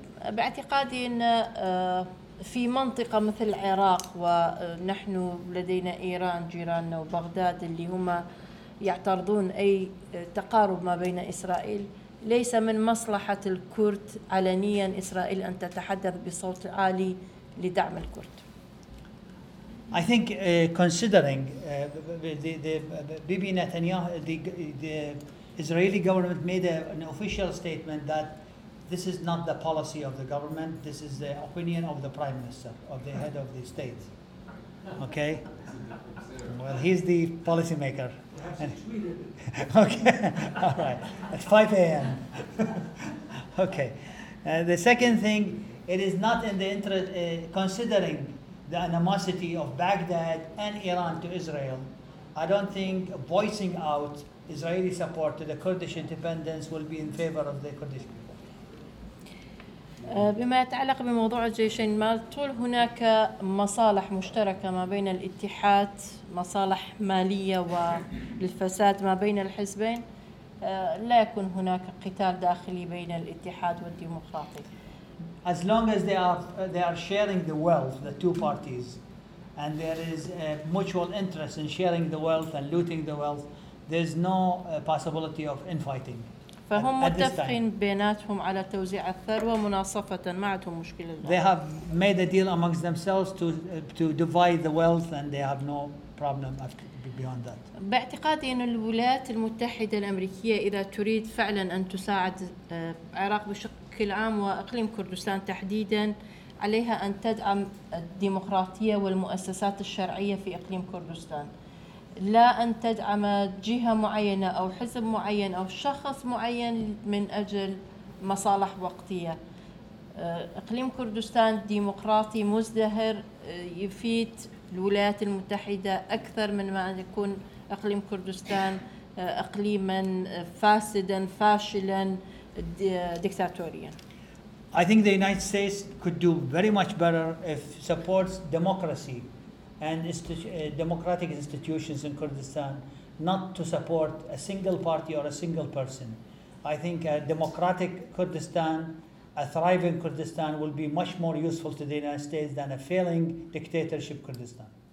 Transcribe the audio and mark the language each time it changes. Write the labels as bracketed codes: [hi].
[ar] باعتقادي أن في منطقة مثل العراق ونحن لدينا إيران جيراننا وبغداد اللي هما يعترضون أي تقارب ما بين إسرائيل، ليس من مصلحة الكرد علنيا إسرائيل أن تتحدث بصوت عالي لدعم الكرد. [en] I think considering the Bibi Netanyahu, the Israeli government made an official statement that this is not the policy of the government. This is the opinion of the prime minister, of the head of the state. Okay. Well, he's the policy maker. Okay, all right, at 5 a.m. Okay, the second thing, it is not in the interest, considering the animosity of Baghdad and Iran to Israel, I don't think voicing out Israeli support to the Kurdish independence will be in favor of the Kurdish people. [ar] بما يتعلق بموضوع الجيشين، ما طول هناك مصالح مشتركة ما بين الاتحاد، مصالح مالية والفساد ما بين الحزبين، لا يكون هناك قتال داخلي بين الاتحاد والديمقراطي. [en] As long as they are sharing the wealth, the two parties, and there is a mutual interest in sharing the wealth and looting the wealth, there's no possibility of infighting. [ar] فهم متفقين بيناتهم على توزيع الثروة مناصفة، ما عندهم مشكلة. [en] They have made a deal amongst themselves to divide the wealth and they have no problem beyond that. [ar] باعتقادي أن الولايات المتحدة الأمريكية إذا تريد فعلا أن تساعد العراق بشكل عام وأقليم كردستان تحديدا، عليها أن تدعم الديمقراطية والمؤسسات الشرعية في إقليم كردستان، لا أن تدعم جهة معينة أو حزب معين أو شخص معين من أجل مصالح وقتية. إقليم كردستان ديمقراطي مزدهر يفيد الولايات المتحدة أكثر من ما يكون إقليم كردستان إقليماً فاسداً فاشلاً ديكتاتورياً. [en] I think the United States could do very much better if supports democracy and democratic institutions in Kurdistan, not to support a single party or a single person. I think a democratic Kurdistan, a thriving Kurdistan, will be much more useful to the United States than a failing dictatorship Kurdistan.